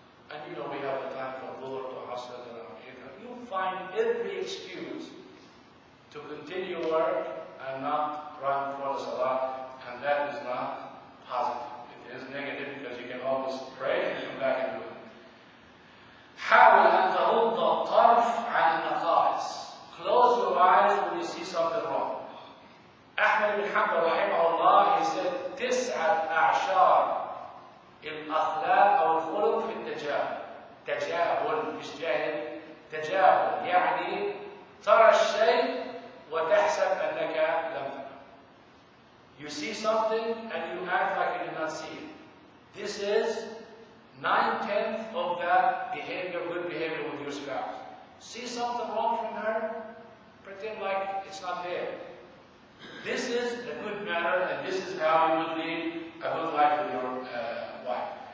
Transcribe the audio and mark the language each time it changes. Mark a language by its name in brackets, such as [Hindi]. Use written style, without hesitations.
[English] And we have the time for Dhuhr, to Asr, and Eid. You find every excuse to continue work and not run for the salah, and that is not positive. It's negative because you can always pray and come back and do it. [Arabic] حاول أن تغض الطرف عن النقائص. [English] Close your eyes when you see something wrong. [Arabic] أحمد بن حنبل رحمه الله, [English] he said, [Arabic] تسعة أعشار الأخلاق أو الخلق في التجاهل. تجاهل مش جاهل. تجاهل يعني ترى الشيء وتحسب أنك لم تر. [English] You see something and you act like you did not see it. This is 9/10 of that behavior, good behavior with your spouse. See something wrong from her, pretend like it's not there. This is a good matter, and this is how you will lead a good life with your wife.